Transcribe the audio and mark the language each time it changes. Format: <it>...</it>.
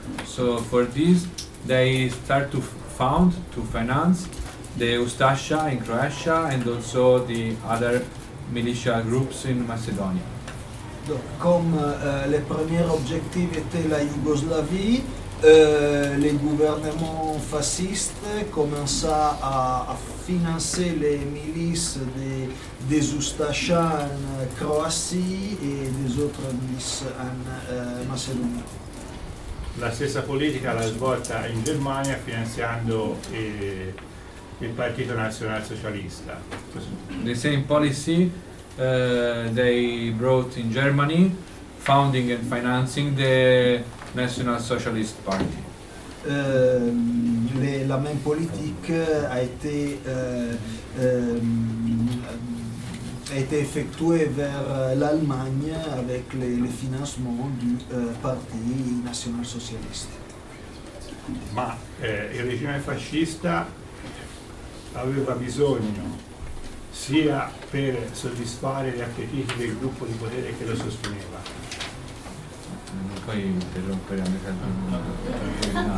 <en>So, for this, they start to found, to finance the Ustascia in Croatia and also the other militia groups in Macedonia.</en> <fr>Donc, comme le premier objectif était la Yougoslavie, le gouvernement fasciste commença à financer les milices des Ustascia en Croatie et des autres milices en Macedonie.</fr> <it>La stessa politica l'ha svolta in Germania finanziando il Partito Nazionale Socialista.</it> <en>The same policy they brought in Germany, founding and financing the National Socialist Party.</en> <fr>Le les, la même politique a été effectué vers l'Allemagne avec le financement du Parti National Socialiste.</fr> <it>Ma il regime fascista aveva bisogno sia per soddisfare gli appetiti del gruppo di potere che lo sosteneva. Non puoi interrompere a me tanto.</it>